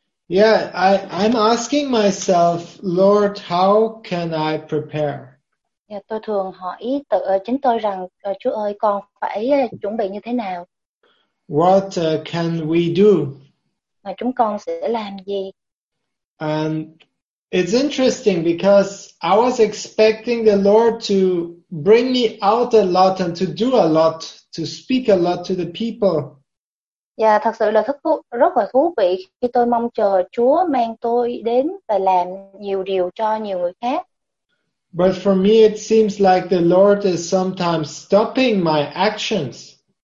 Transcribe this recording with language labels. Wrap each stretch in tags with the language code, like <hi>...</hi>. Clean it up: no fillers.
<en>I'm asking myself, Lord, how can I prepare?</en> <vi>Yeah, tôi thường hỏi tự chính tôi rằng, Chúa ơi, con phải chuẩn bị như thế nào?</vi> <en>What can we do?</en> <vi>Mà chúng con sẽ làm gì?</vi> <en>And it's interesting because I was expecting the Lord to bring me out a lot and to do a lot, to speak a lot to the people.</en> <vi>Dạ, thật sự là rất là thú vị khi tôi mong chờ Chúa mang tôi đến và làm nhiều điều cho nhiều người khác.</vi> <en>But for me it seems like the Lord is sometimes stopping my actions.</en>